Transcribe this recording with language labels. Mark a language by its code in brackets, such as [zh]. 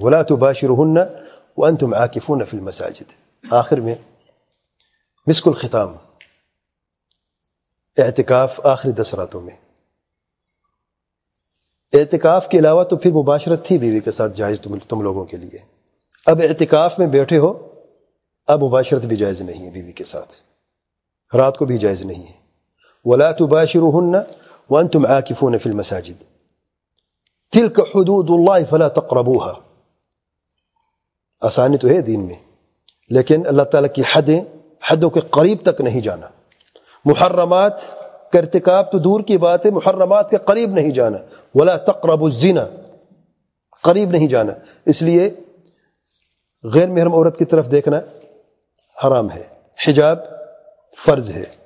[ar] ولا تباشرهن وانتم عاكفون في المساجد، [ur] آخر میں مسک الختام، اعتکاف آخری 10 راتوں میں. اعتکاف کے علاوہ تو پھر مباشرت تھی بیوی کے ساتھ جائز تم لوگوں کے لیے، اب اعتکاف میں بیٹھے ہو، اب مباشرت بھی جائز نہیں ہے بیوی کے ساتھ، رات کو بھی جائز نہیں ہے. [ar] ولا تباشروهن وانتم عاكفون في المساجد تلك حدود الله فلا تقربوها. [ur] آسانی تو ہے دین میں، لیکن اللہ تعالیٰ کی حدیں، حدوں کے قریب تک نہیں جانا. محرمات کا ارتکاب تو دور کی بات ہے، محرمات کے قریب نہیں جانا. [ar] ولا تقرب الزنا، [ur] قریب نہیں جانا. اس لیے غیر محرم عورت کی طرف دیکھنا حرام ہے، حجاب فرض ہے.